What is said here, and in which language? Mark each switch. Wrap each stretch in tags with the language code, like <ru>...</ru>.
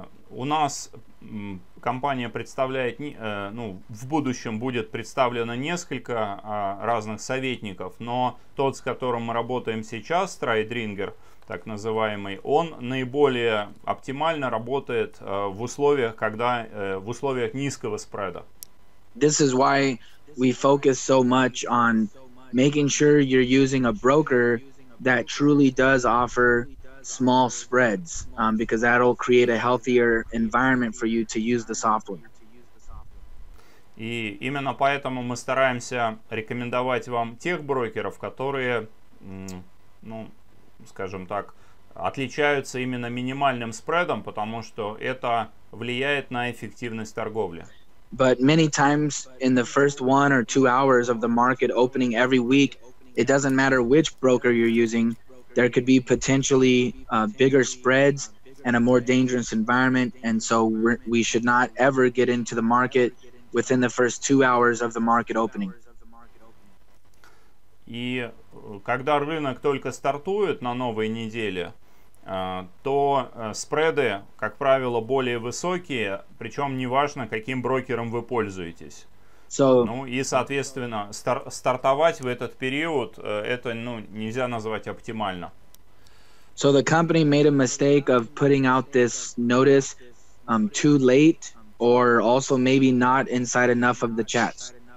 <ru>У нас компания представляет, ну, в будущем будет представлено несколько разных советников, но тот, с которым мы работаем сейчас, TradeRinger, так называемый, он наиболее оптимально работает в условиях, когда в условиях низкого спреда.</ru> <en>This is why we focus so much on making sure you're using a broker that truly does offer small spreads, because that'll create a healthier environment for you to use the software.</en> <ru>И именно поэтому мы стараемся рекомендовать вам тех брокеров, которые, ну, скажем так, отличаются именно минимальным спредом, потому что это влияет на эффективность торговли.</ru> <en>But many times in the first 1 or 2 hours of the market opening every week, it doesn't matter which broker you're using, there could be potentially bigger spreads and a more dangerous environment, and so we should not ever get into the market within the first 2 hours of the market opening.</en> <ru>И когда рынок только стартует на новой неделе, то спреды, как правило, более высокие, причем неважно, каким брокером вы пользуетесь.</ru> <en>So,</en> <ru>ну и, соответственно, стартовать в этот период, это, ну, нельзя назвать оптимально.</ru> <en>So the company made a mistake of putting out this notice too late, or also maybe not inside enough of the chats.</en>